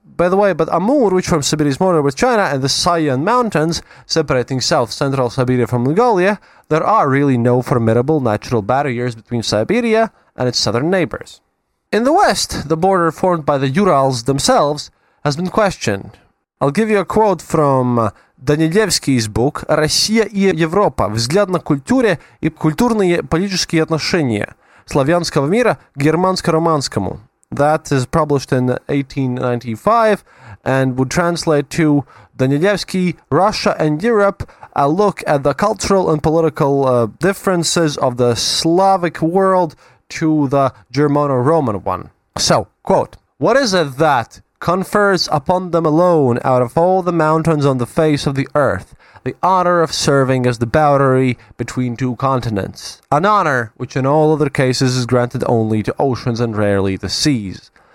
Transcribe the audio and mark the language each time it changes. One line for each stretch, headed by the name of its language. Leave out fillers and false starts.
English: By the way, but Amur, which forms Siberia's border with China, and the Seyan Mountains, separating south-central Siberia from Mongolia, there are really no formidable natural barriers between Siberia and its southern neighbors. In the west, the border formed by the Urals themselves has been questioned. I'll give you a quote from Danilevsky's book
Russian: «Россия и Европа. Взгляд на культуре и культурные политические отношения славянского мира к германско-романскому».
English: That is published in 1895 and would translate to Danilevsky, Russia and Europe, a look at the cultural and political differences of the Slavic world to the Germano-Roman one. So, quote, "What is it that confers upon them alone out of all the mountains on the face of the earth the honor of serving as the boundary between two continents, an honor which in all other cases is granted only to oceans and rarely the seas.